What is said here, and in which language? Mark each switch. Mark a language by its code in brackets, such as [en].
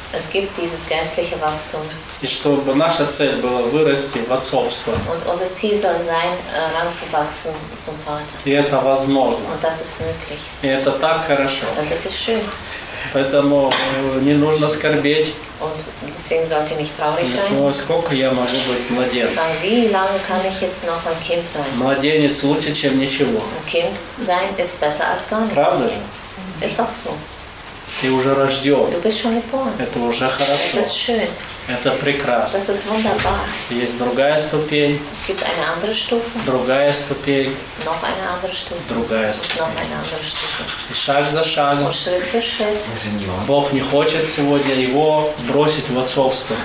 [de] Es gibt dieses geistliche Wachstum. [ru] И чтобы наша цель была вырасти в отцовство. [de] Und unser Ziel soll sein, ranzuwachsen zum Vater. [ru] И это возможно. [de] Und das ist möglich. [ru] И это так хорошо. [de] Und das ist schön. [ru] Поэтому не нужно скорбеть. [de] Und deswegen sollte nicht traurig sein. [ru] Ну, сколько я могу быть младенцем? [de] Dann wie lange kann ich jetzt noch ein Kind sein? [ru] Младенец лучше, чем ничего. [de] Ein Kind sein ist besser als gar nichts. [ru] Правда же? [de] Ist doch so. [ru] Ты уже рожден. [de] Du bist schon geboren. [ru] Это уже хорошо. [de] Das ist schön. [ru] Это прекрасно. [de] Das ist wunderbar. [ru] Есть другая ступень. [de] Es gibt eine andere Stufe. [ru] Другая ступень. [de] Noch eine andere Stufe. [ru] Другая ступень. И шаг за шагом. [de] Und Schritt für Schritt. [ru] Бог не хочет сегодня его бросить в отцовство.